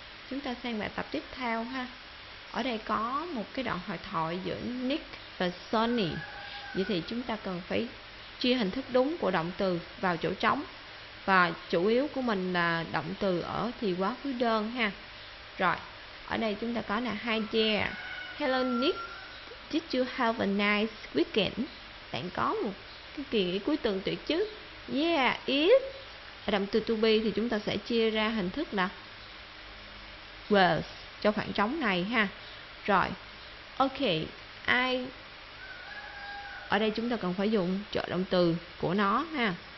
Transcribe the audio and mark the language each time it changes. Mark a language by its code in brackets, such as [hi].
[vi] Chúng ta sang bài tập tiếp theo ha. Ở đây có một cái đoạn hội thoại giữa Nick và Sonny. Vậy thì chúng ta cần phải chia hình thức đúng của động từ vào chỗ trống. Và chủ yếu của mình là động từ ở thì quá khứ đơn ha. Rồi, ở đây chúng ta có là [en] hi there. Hello Nick, did you have a nice weekend? [vi] Bạn có một cái kỳ nghỉ cuối tuần tuyệt chứ? [en] Yeah, it. [vi] Ở động từ to be thì chúng ta sẽ chia ra hình thức là was cho khoảng trống này ha. Rồi, ok, I. Ở đây chúng ta cần phải dùng trợ động từ của nó ha.